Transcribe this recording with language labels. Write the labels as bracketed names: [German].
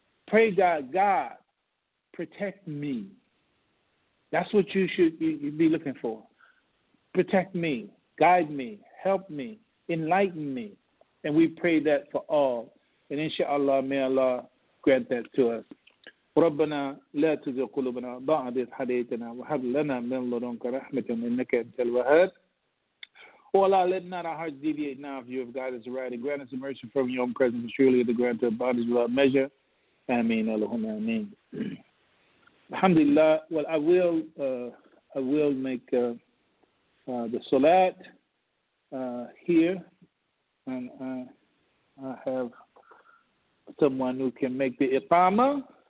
[English] Pray God, protect me. That's what you should be looking for. Protect me, guide me, help me, enlighten me. And we pray that for all. And inshallah, may Allah grant that to us. [Arabic] ربنا لا تزغ قلوبنا بعد إذ هديتنا وهب لنا من لدنك رحمة إنك أنت الوهاب. [English] Oh Allah, let not our hearts deviate now if you have guided us right, and grant us immersion from your own presence, truly the grant of bondage without measure. Ameen, Allahumma ameen. Alhamdulillah. Well, I will make the salat here, and I have someone who can make the iqama.